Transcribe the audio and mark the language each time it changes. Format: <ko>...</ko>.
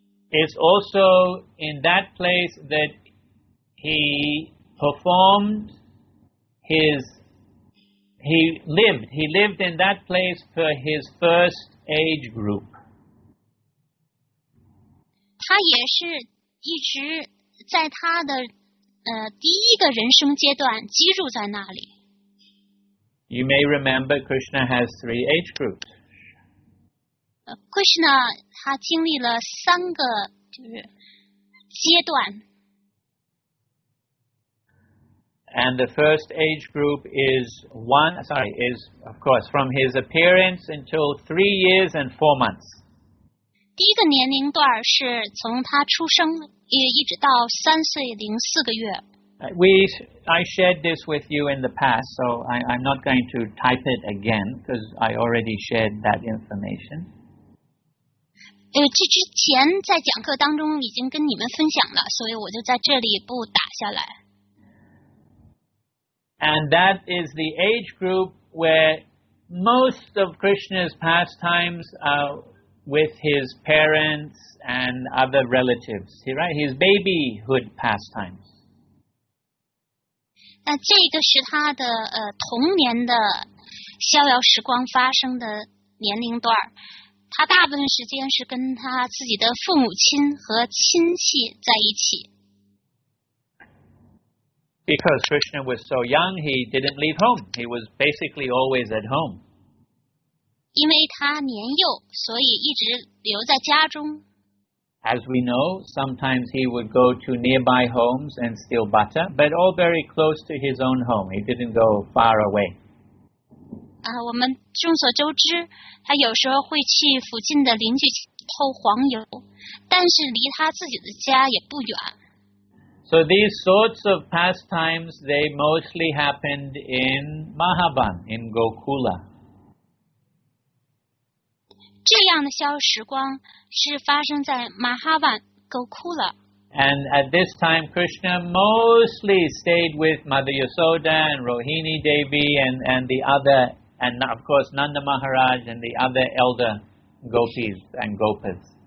<en>It's also in that place that he performed He lived in that place for his first age group.</en> <zh>他也是。一直在他的第一个人生阶段居住在那里。</zh> <en>You may remember Krishna has three age groups.</en> <zh>Krishna 他经历了三个就是阶段。</zh> <en>And the first age group is of course from his appearance until 3 years and 4 months.</en> <zh>第一个年龄段是从他出生一直到三岁零四个月。</zh> <en>I shared this with you in the past, so I'm not going to type it again because I already shared that information.</en> <zh>这之前在讲课当中已经跟你们分享了，所以我就在这里不打下来。</zh> <en>And that is the age group where most of Krishna's pastimes are with his parents and other relatives, right? His babyhood pastimes.</en> <zh>那这个是他的童年的逍遥时光发生的年龄段，他大部分时间是跟他自己的父母亲和亲戚在一起。</zh> <en>Because Krishna was so young, he didn't leave home. He was basically always at home.</en> <zh>因为他年幼，所以一直留在家中。</zh> <en>As we know, sometimes he would go to nearby homes and steal butter, but all very close to his own home. He didn't go far away.</en> <zh>我们众所周知，他有时候会去附近的邻居偷黄油，但是离他自己的家也不远。</zh> <en>So these sorts of pastimes, they mostly happened in Mahaban, in Gokula.</en> <zh>这样的逍遥时光是发生在 Mahavan, Gokula.</zh> <en>And at this time, Krishna mostly stayed with Mother Yasoda and Rohini Devi and the other, and of course Nanda Maharaj and the other elder gopis and gopas.</en>